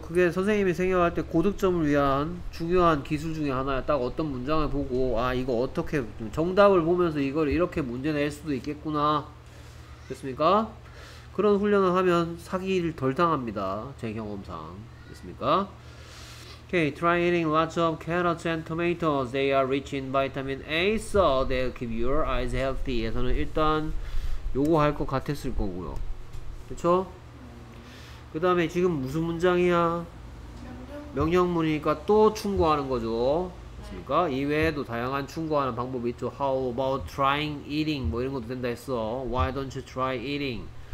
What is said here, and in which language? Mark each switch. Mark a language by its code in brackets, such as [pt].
[ko] 그게 선생님이 생각할 때 고득점을 위한 중요한 기술 중에 하나야. 딱 어떤 문장을 보고 아 이거 어떻게 정답을 보면서 이걸 이렇게 문제 낼 수도 있겠구나. 됐습니까? 그런 훈련을 하면 사기를 덜 당합니다. 제 경험상. 됐습니까? [en] Okay, try eating lots of carrots and tomatoes. They are rich in vitamin A, so they'll keep your eyes healthy. [ko] 에서는 일단 요거 할 것 같았을 거고요. 그쵸? 그 다음에 지금 무슨 문장이야? 명령문이니까 또 충고하는 거죠. 됐습니까? 이외에도 다양한 충고하는 방법이 있죠. [en] How about trying eating? [ko] 뭐 이런 것도 된다 했어. [en] Why don't you try eating?